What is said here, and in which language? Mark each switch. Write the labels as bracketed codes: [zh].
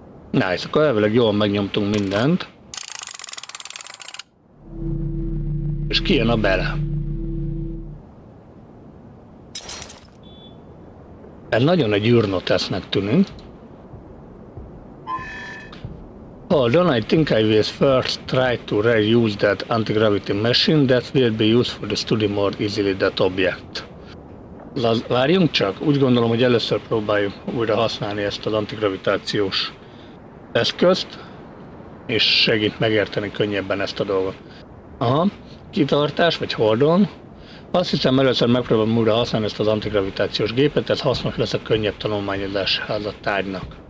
[hu] Nice, akkor elvileg jól megnyomtunk mindent. És kijön a bele. Ez nagyon egy űrnotesznek tűnünk. [en] Hold on, I think I will first try to reuse that anti-gravity machine that will be used for the study more easily that object. [hu] Várjunk csak, úgy gondolom, hogy először próbáljuk újra használni ezt az antigravitációs eszközt, és segít megérteni könnyebben ezt a dolgot. Aha, kitartás vagy [en] hold on. [hu] Azt hiszem, először megpróbálom újra használni ezt az antigravitációs gépet, ez hasznos lesz a könnyebb tanulmányozás a tárgynak.